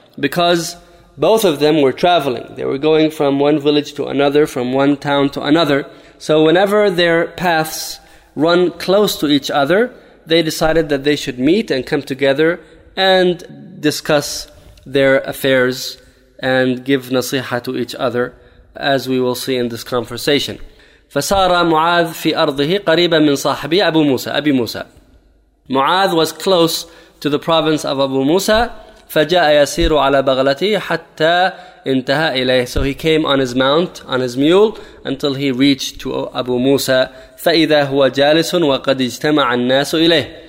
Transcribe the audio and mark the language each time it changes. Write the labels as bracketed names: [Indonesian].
[English] Because both of them were traveling. They were going from one village to another, from one town to another. So whenever their paths run close to each other, they decided that they should meet and come together and discuss their affairs and give nasiha to each other, as we will see in this conversation. [Arabic] فَسَارَ مُعَاذْ فِي أَرْضِهِ قَرِيبًا مِّنْ صَاحِبِي أَبُو مُوسَى. أَبِي مُوسَى. [English] Mu'adh was close to the province of Abu Musa. [Arabic] فَجَاءَ يَسِيرُ عَلَى بَغْلَتِهِ حَتَّى انْتَهَى إِلَيْهِ. [English] So he came on his mount, on his mule, until he reached to Abu Musa. [Arabic] فَإِذَا هُوَ جَالِسٌ وَقَدْ اجْتَمَعَ النَّاسُ إِلَيْهِ.